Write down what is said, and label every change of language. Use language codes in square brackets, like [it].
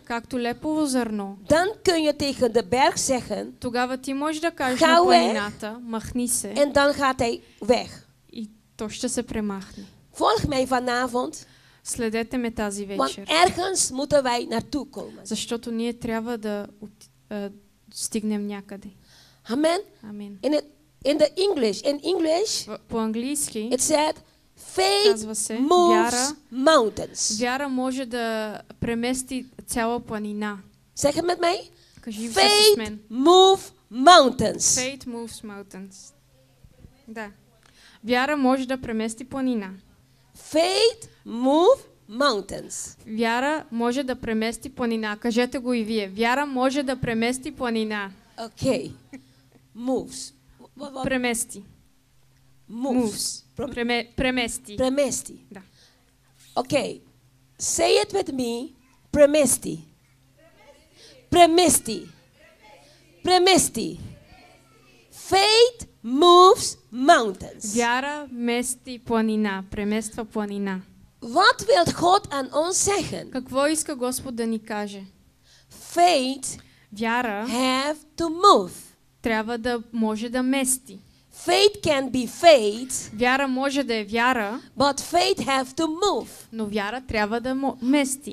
[bg] Както лепово зърно. [nl] Dan kun je tegen de berg zeggen. [bg] Тогава ти можеш да кажеш на планината. Махни се. [nl] En dan gaat hij weg. [bg] И то ще се премахне. [nl] Volg mij vanavond. [bg] Следете ме тази вечер. [nl] Want ergens moeten wij naartoe komen. [bg] Защото ние трябва да стигнем някъде. [nl] Amen. [bg] Amen. [en] In the English. In English. [bg] По-английски. [en] It said. Faith moves mountains. [bg] Вяра може да премести цяла планина. [nl] Zeg het met mij. [bg] Кажи [en] faith [bg] с мен. [en] Move mountains. Faith moves mountains. [bg] Да. Вяра може да премести планина. [en] Faith move mountains. [bg] Вяра може да премести планина. Кажете го и вие. Вяра може да премести планина. [en] Okay. Moves. [bg] Премести. [en] Moves. [bg] Премести. Премести. Да. Окей. [en] Say it with me. [bg] Премести. Премести. Премести. [en] Faith moves mountains. [bg] Вяра мести планина. Премества планина. [en] What will God [nl] aan ons zeggen? [bg] Какво иска Господ да ни каже? [en] Faith. [bg] Вяра. [en] Have to move. [bg] Трябва да може да мести. [en] Faith can be faith. [bg] Вяра може да е вяра. [en] But faith have to move. [bg] Но вяра трябва да мести.